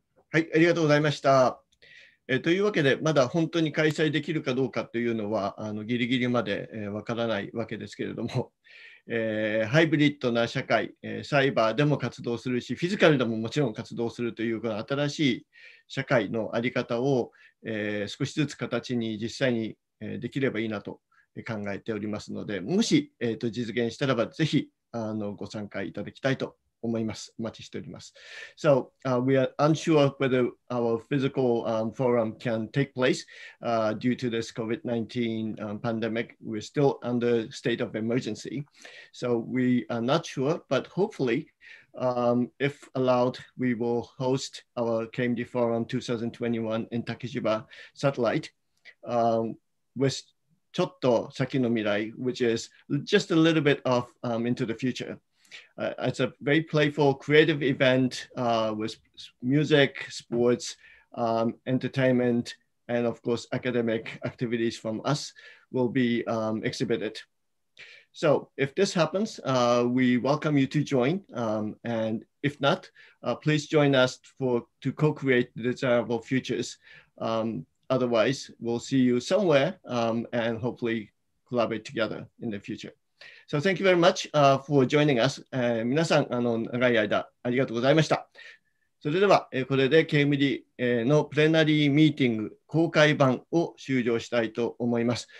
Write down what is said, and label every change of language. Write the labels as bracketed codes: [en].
[ja] はい、ありがとうございました。というわけで、まだ本当に開催できるかどうかというのはギリギリまで、分からないわけですけれども、ハイブリッドな社会、サイバーでも活動するし、フィジカルでももちろん活動するというこの新しい社会の在り方を、少しずつ形に実際にできればいいなと考えておりますので、もし、実現したらばぜひご参加いただきたいと思います。お待ちしております。 [en] So, we are unsure whether our physical forum can take place due to this COVID-19 pandemic. We're still under state of emergency. So, we are not sure, but hopefully, if allowed, we will host our KMD Forum 2021 in Takeshiba Satellite with [ja] ちょっと先の未来, [en] which is just a little bit of into the future. It's a very playful, creative event with music, sports, entertainment, and of course, academic activities from us will be exhibited. So if this happens, we welcome you to join. And if not, please join us to co-create the desirable futures. Otherwise, we'll see you somewhere and hopefully collaborate together in the future. So thank you very much for joining us. [ja] 皆さん長い間ありがとうございました。それでは、これで KMD のプレナリーミーティング公開版を終了したいと思います。